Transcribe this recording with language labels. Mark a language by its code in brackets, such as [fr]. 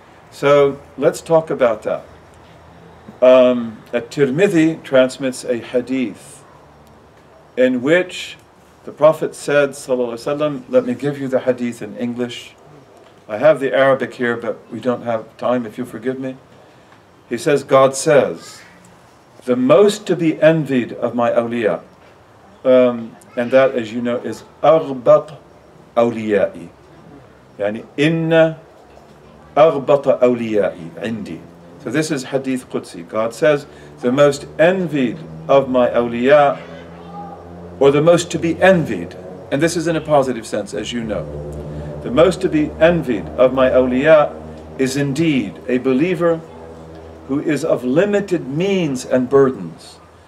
[en] So let's talk about that. At-Tirmidhi transmits a hadith in which the Prophet said, [ar] sallallahu alayhi wa sallam, [en] let me give you the hadith in English. I have the Arabic here, but we don't have time, if you forgive me. He says, God says, the most to be envied of my awliya, and that, as you know, is [ar] أغبط أوليائي. يعني إن أغبط أوليائي عندي. [en] So this is Hadith Qudsi. God says, the most envied of my awliya, or the most to be envied, and this is in a positive sense, as you know, the most to be envied of my awliya is indeed a believer who is of limited means and burdens.